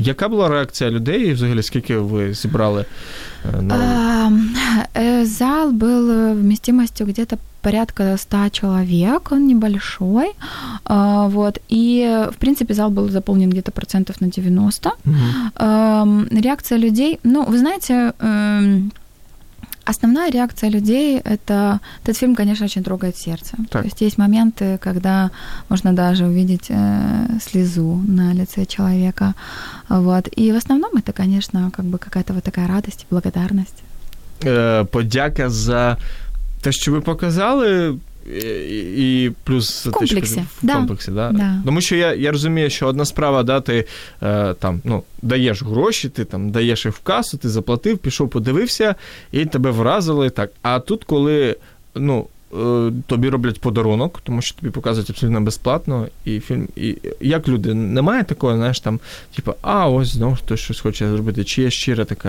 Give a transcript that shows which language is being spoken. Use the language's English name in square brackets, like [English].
[Ukrainian] Яка була реакція людей, взагалі, скільки ви зібрали? На... Зал був вмістимостю [Russian] где-то порядка [Ukrainian] 100 чоловік, він [Russian] небольшой. Вот. [Ukrainian] І, в принципі, зал був заповнен [Russian] где-то [Ukrainian] процентів на 90. Угу. Реакція людей, ну, ви знаєте, [Russian] основная реакция людей – это этот фильм, конечно, очень трогает сердце. [Ukrainian] Так. [Russian] То есть есть моменты, когда можно даже увидеть слезу на лице человека. Вот. И в основном это, конечно, как бы какая-то вот такая радость и благодарность. Подяка за то, что вы показали, і плюс... [Ukrainian] В комплексі. Кажу, в да. комплексі, да? Да. Тому що я розумію, що одна справа, да, ти там, ну, даєш гроші, ти там даєш їх в касу, ти заплатив, пішов, подивився, і тебе вразили, так. А тут, коли, ну, тобі роблять подарунок, тому що тобі показують абсолютно безплатно, і фільм, і як люди, немає такого, знаєш, там, типу, а, ось знову хтось щось хоче зробити, чи є щира така